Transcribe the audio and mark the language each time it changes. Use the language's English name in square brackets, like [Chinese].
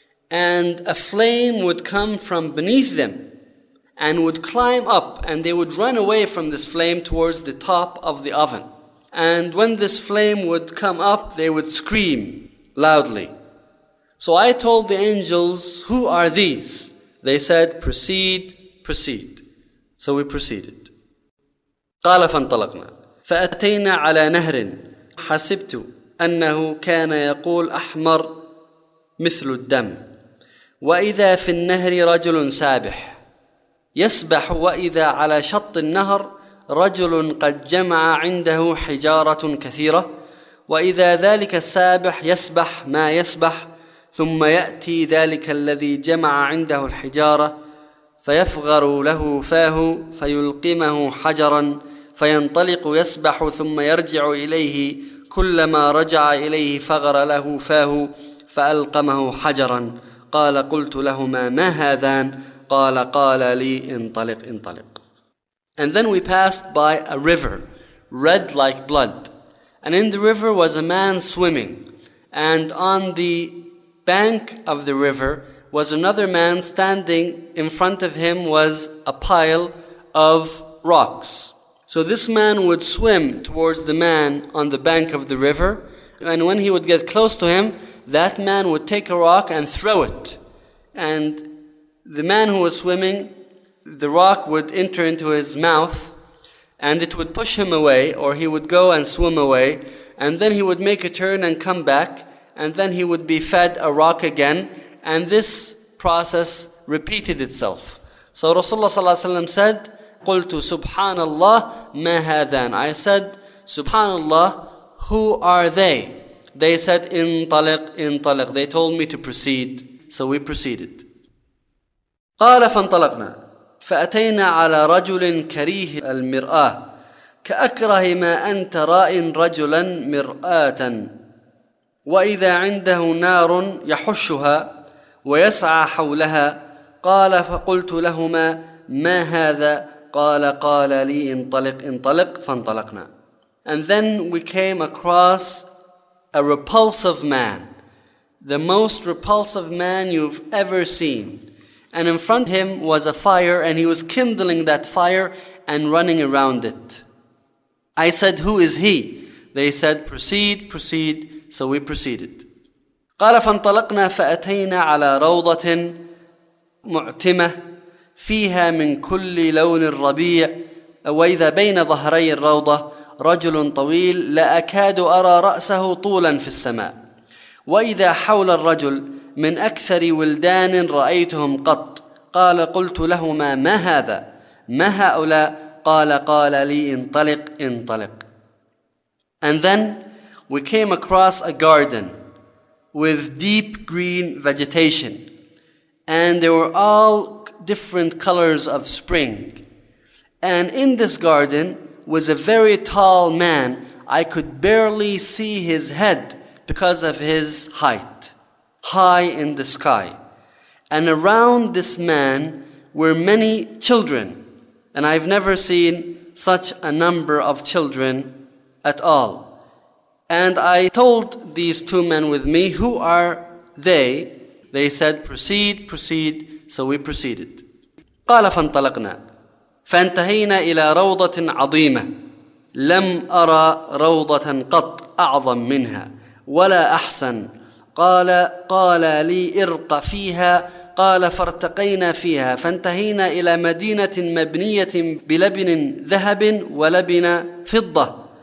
[English] And a flame would come from beneath them and would climb up, and they would run away from this flame towards the top of the oven. And when this flame would come up, they would scream loudly. So I told the angels, who are these? They said, proceed, proceed. So we proceeded. [Arabic] قال فانطلقنا فأتينا على نهر حسبت أنه كان يقول أحمر مثل الدم وإذا في النهر رجل سابح يسبح وإذا على شط النهر رجل قد جمع عنده حجارة كثيرة وإذا ذلك السابح يسبح ما يسبح ثم يأتي ذلك الذي جمع عنده الحجارة فيفغر له فاه فيلقمه حجرا فينطلق يسبح ثم يرجع إليه كلما رجع إليه فغر له فاه فألقمه حجرا قال قلت لهما ما هذان قال قال لي انطلق انطلق. [English] And then we passed by a river, red like blood. And in the river was a man swimming. And on the bank of the river was another man standing. In front of him was a pile of rocks. So this man would swim towards the man on the bank of the river. And when he would get close to him, that man would take a rock and throw it. And the man who was swimming, the rock would enter into his mouth and it would push him away, or he would go and swim away, and then he would make a turn and come back, and then he would be fed a rock again, and this process repeated itself. So Rasulullah sallallahu alaihi wasallam said, [Arabic] قُلْتُ سُبْحَانَ اللَّهِ مَا هَذَانِ. [English] I said, Subhanallah, who are they? They said, [Arabic] انطلق انطلق. [English] They told me to proceed, so we proceeded. [Arabic] قال فانطلقنا فأتينا على رجل كريه المرآة كأكره ما أن ترى رجلا مرآة وإذا عنده نار يحشها ويسعى حولها قال فقلت لهما ما هذا قال لي انطلق انطلق فانطلقنا. [English] And then we came across a repulsive man, the most repulsive man you've ever seen. And in front of him was a fire, and he was kindling that fire and running around it. I said, who is he? They said, proceed, proceed. So we proceeded. [Arabic] قال فانطلقنا فأتينا على روضة معتمة فيها من كل لون الربيع وإذا بين ظهري الروضة رجل طويل لا أكاد أرى رأسه طولا في السماء وإذا حول الرجل من أكثر ولدان رأيتهم قط قال قلت لهما ما هذا ما هؤلاء قال لي انطلق انطلق. [English] And then we came across a garden with deep green vegetation, and they were all different colors of spring. And in this garden was a very tall man. I could barely see his head because of his height, high in the sky. And around this man were many children, and I've never seen such a number of children at all. And I told these two men with me, who are they? They said, proceed, proceed. So we proceeded. [Arabic] قال فانطلقنا فانتهينا إلى روضة عظيمة لم أرى روضة قط أعظم منها ولا أحسن. قال لي ارق فيها. قال فارتقينا فيها فانتهينا إلى مدينة مبنية بلبن ذهب ولبن فضة.